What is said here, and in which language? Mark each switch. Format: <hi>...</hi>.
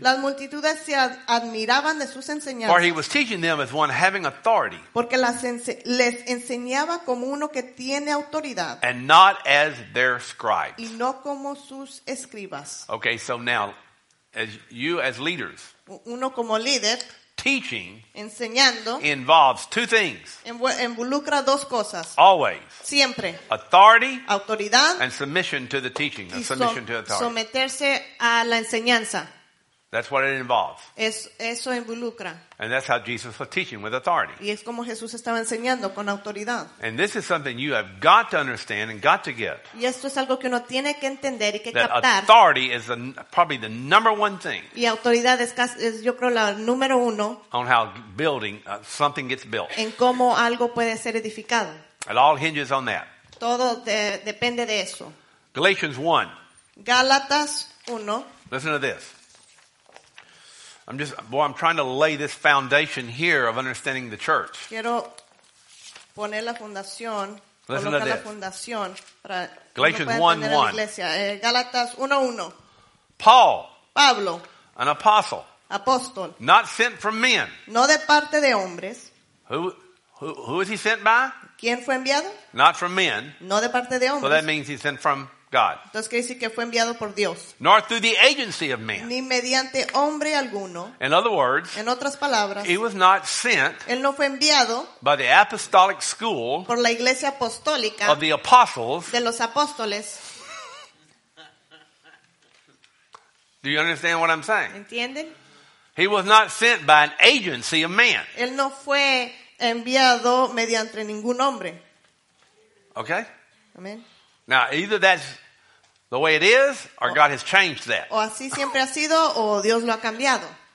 <es>Las multitudes se admiraban de sus enseñanzas.</es> <en>For he was teaching them as one having authority.</en> <es>Porque les enseñaba como uno que tiene autoridad.</es> <en>And not as their scribes.</en> <es>Y no como sus escribas.</es> <en>Okay, so now, as leaders,</en> <es>uno como líder,</es> <en>teaching</en> <es>enseñando</es> <en>involves two things.</en> <es>Involucra dos cosas.</es> <en>Always.</en> <es>Siempre.</es> <en>Authority.</en> <es>Autoridad.</es> <en>And submission to the teaching. Submission to authority.</en> <es>Someterse a la enseñanza.</es> <en>That's what it involves.</en> <es>Eso involucra.</es> <en>And that's how Jesus was teaching with authority.</en> <es>Y es como Jesús estaba enseñando con autoridad.</es> <en>And this is something you have got to understand and got to get.</en> <es>Y esto es algo que uno tiene que entender y que</es> <en>that</en> <es>captar.</es> <en>That authority is probably the number one thing.</en> <es>Y autoridad es yo creo la número uno.</es> <en>On how building something gets built.</en> <es>En cómo algo puede ser edificado.</es> <en>It all hinges on that.</en> <es>Todo depende de eso.</es> <en>Galatians 1.</en> <es>Gálatas 1.</es> <en>Listen to this. I'm trying to lay this foundation here of understanding the church.</en> <es>Quiero poner la fundación,</es> <en>listen</en> <es>colocar</es> <en>to this.</en> <es>La fundación para</es> <en>Galatians</en> <es>1:1. Galatas 1:1.</es> <en>Paul.</en> <es>Pablo.</es> <en>An apostle.</en> <es>Apóstol.</es> <en>Not sent from men.</en> <es>No de parte de hombres.</es> <en>Who is he sent by?</en> <es>¿Quién fue enviado?</es> <en>Not from men.</en> <es>No de parte de hombres.</es> <en>So that means he's sent from God.</en> <es>Entonces quiere decir que fue enviado por Dios.</es> <en>Nor through the agency of man.</en> <es>Ni mediante hombre alguno.</es> <en>In other words,</en> <es>en otras palabras,</es> <en>he was not sent.</en> <es>Él no fue enviado</es> <en>by the apostolic school.</en> <es>Por la iglesia apostólica.</es> <en>Of the apostles.</en> <es>De los apóstoles.</es> <en>Do you understand what I'm saying?</en> <es>¿Entienden?</es> <en>He was not sent by an agency of man.</en> <es>Él no fue enviado mediante ningún hombre.</es> <en>Okay.</en> <es>Amen.</es> <en>Now, either that's the way it is, or God has changed that.</en> <es>O así siempre ha sido, o Dios lo ha cambiado.</es>